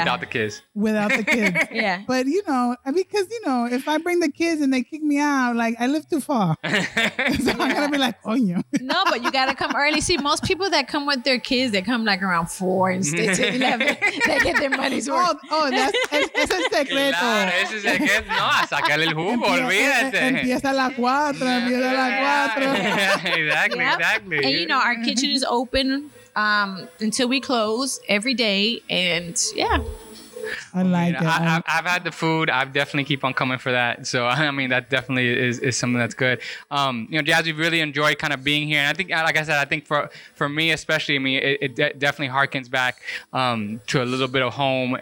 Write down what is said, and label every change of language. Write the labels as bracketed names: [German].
[English] Without the kids. Yeah. But you know, because you know, if I bring the kids and they kick me out, like I live too far. So yeah. I'm going to be like, oh, you. No, but you got to come early. See, most people that come with their kids, they come like around 4 and stay till 11. They get their money's worth. Oh, that's [Spanish] es el secreto. Claro, ese es el que, no, saca el jugo, empieza, olvídate. Empieza a la cuatro, empieza a la cuatro. [English] Exactly. And you know, our kitchen is open until we close every day. And yeah. I've had the food. I definitely keep on coming for that. So, I mean, that definitely is something that's good. You know, Jazz, we really enjoy kind of being here. And I think, like I said, I think for me especially, I mean, it definitely harkens back to a little bit of home.